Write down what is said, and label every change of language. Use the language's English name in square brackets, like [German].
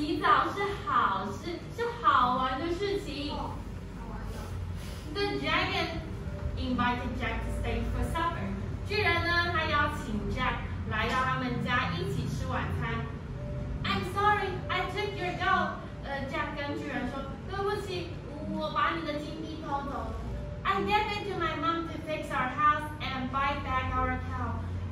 [Chinese] 洗澡是好事，是好玩的事情。 [English] The dragon invited Jack to stay for supper. [Chinese] 巨人呢，他邀请 Jack 来到他们家一起吃晚餐。 [English] I'm sorry, I took your gold. [Chinese] Jack 跟巨人说，对不起，我把你的金币偷走了。 [English] I gave it to my mom to fix our house and buy back our town.